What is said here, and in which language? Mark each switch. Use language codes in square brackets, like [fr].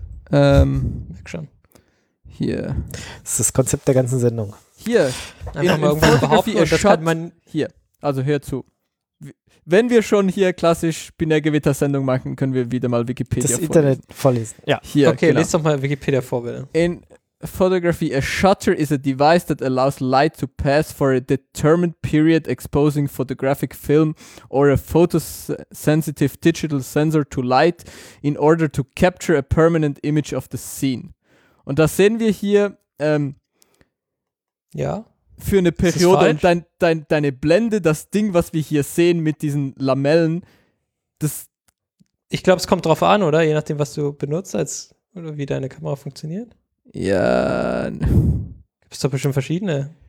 [de] Merk schon. Hier. Das ist das Konzept der ganzen Sendung. Hier. Einfach mal irgendwo behaupten und das kann man hier. Also, hör zu. Wenn wir schon hier klassisch Binärgewitter-Sendung machen, können wir wieder mal Wikipedia vorlesen. Das Internet vorlesen. Ja. Hier, okay, genau. Lies doch mal Wikipedia vor, bitte. [en] In Photography, a shutter is a device that allows light to pass for a determined period, exposing photographic film or a photosensitive digital sensor to light in order to capture a permanent image of the scene. [de] Und das sehen wir hier ja. Für eine Periode. Und deine Blende, das Ding, was wir hier sehen mit diesen Lamellen, das... Ich glaube, es kommt drauf an, oder? Je nachdem, was du benutzt, als oder wie deine Kamera funktioniert. Ja. Gibt es doch bestimmt verschiedene.